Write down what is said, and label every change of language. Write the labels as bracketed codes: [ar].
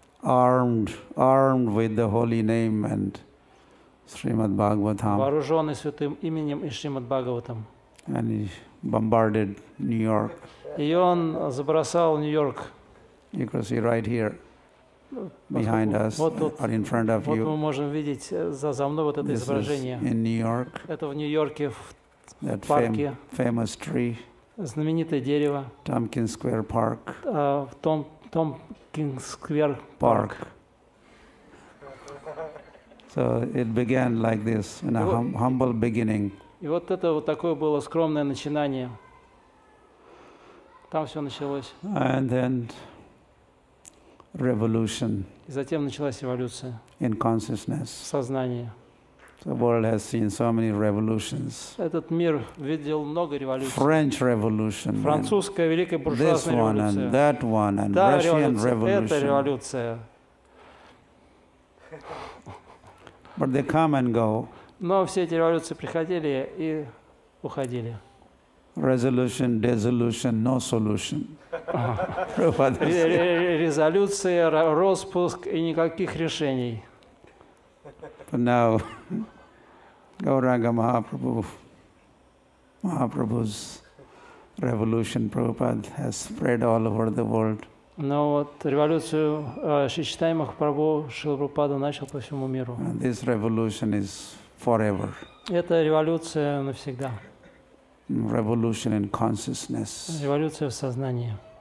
[en] Armed with the holy name and Srimad Bhagavatam. [ru] Вооруженный святым именем и Шримад Бхагаватам. [en] And he bombarded New York. [ru] И он забросал Нью-Йорк. [en] You can see right here, behind us, [ru] вот тут, [en] or in front of [ru] вот [en] you. [ru] Вот мы можем видеть за мной вот это [en] this [ru] изображение. [en] In New York. [ru] Это в Нью-Йорке в [en] that [ru] парке. [en] Famous tree. [ru] Знаменитое дерево. [en] Tompkins Square Park. [ru] В том Tompkins Square Park. [en] So it began like this, in a humble beginning. [ru] И вот это вот такое было скромное начинание. Там все началось. [en] And then revolution. [ru] И затем началась эволюция. [en] In consciousness. [ru] В сознании. [en] The world has seen so many revolutions. [ru] Этот мир видел много революций. [en] French Revolution. [ru] Французская великая буржуазная революция. [en] This one and that one and Russian Revolution. [ru] Это революция. [en] But they come and go. [ru] Но все эти революции приходили и уходили. [en] Resolution, dissolution, no solution. [ru] Резолюция, распуск и никаких решений. [en] But now, Gauranga Mahaprabhu, Mahaprabhu's revolution, Prabhupada, has spread all over the world. [ru] Но вот революцию Шри Чайтанья Махапрабху Шрила Прабхупада начал по всему миру. [en] And this revolution is forever. [ru] Это революция навсегда. [en] Revolution in consciousness. [ru] Революция в сознании.